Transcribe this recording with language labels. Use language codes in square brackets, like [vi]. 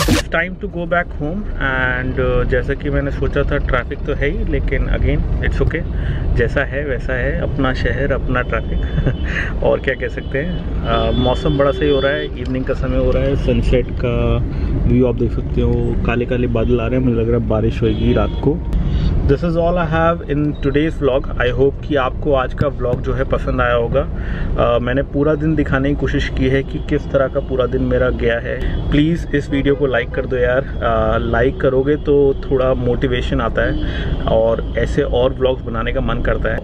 [en] Time to go back home and [hi] जैसा कि मैंने सोचा था traffic तो है ही, लेकिन [en] again it's okay. [hi] जैसा है वैसा है, अपना शहर अपना traffic. और क्या कह सकते हैं. मौसम बड़ा सही हो रहा है, evening का समय हो रहा है, sunset का view आप देख सकते हो, काले काले बादल आ रहे हैं, मुझे लग रहा है बारिश होगी रात को. [en] This is all I have in today's vlog. I hope [hi] कि आपको आज का vlog जो है पसंद आया होगा. मैंने पूरा दिन दिखाने की कोशिश की है कि किस तरह का पूरा दिन मेरा गया है. Please इस वीडियो को लाइक कर दो यार. लाइक करोगे तो थोड़ा मोटिवेशन आता है और ऐसे और व्लॉग्स बनाने का मन करता है.